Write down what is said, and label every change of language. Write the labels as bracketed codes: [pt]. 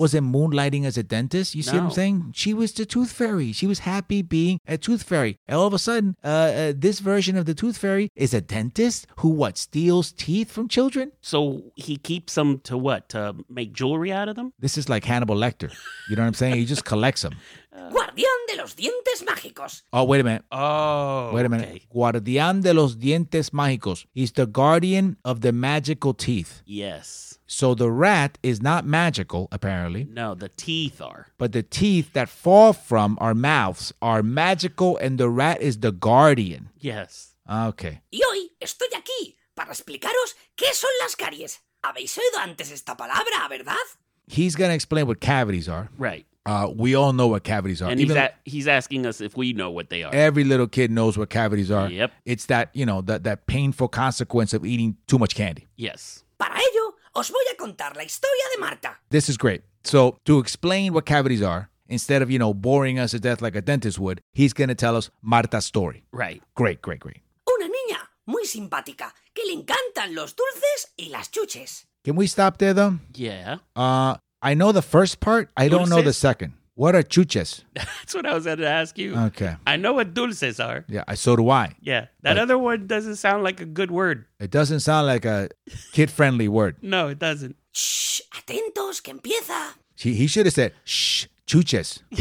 [en] Wasn't moonlighting as a dentist. You see what I'm saying? She was the tooth fairy. She was happy being a tooth fairy. And all of a sudden, this version of the tooth fairy is a dentist who, what, steals teeth from children? So he keeps them to what? To make jewelry out of them? This is like Hannibal Lecter. You know what I'm saying? He just collects them. [es] Guardián de los dientes mágicos. [en] Oh, wait a minute. [es] Guardián de los dientes mágicos. [en] He's the guardian of the magical teeth. Yes. So the rat is not magical, apparently. No, the teeth are. But the teeth that fall from our mouths are magical, and the rat is the guardian. Yes. Okay. [es] Y hoy estoy aquí para explicaros qué son las caries. ¿Habéis oído antes esta palabra, verdad? [en] He's going to explain what cavities are. Right. We all know what cavities are. And he's asking us if we know what they are. Every little kid knows what cavities are. Yep. It's that, you know, that painful consequence of eating too much candy. Yes. [es] Para ello, os voy a contar la historia de Marta. [en] This is great. So to explain what cavities are, instead of, you know, boring us to death like a dentist would, he's going to tell us Marta's story. Right. Great, great, great. [es] Una niña muy simpática que le encantan los dulces y las chuches. [en] Can we stop there, though? Yeah. I know the first part. I don't know the second. What are chuches? That's what I was going to ask you. Okay. I know what dulces are. Yeah, so do I. Yeah. That other one doesn't sound like a good word. It doesn't sound like a kid-friendly word. No, it doesn't. [es] Shh, atentos, que empieza. [en] He should have said, shh, chuches.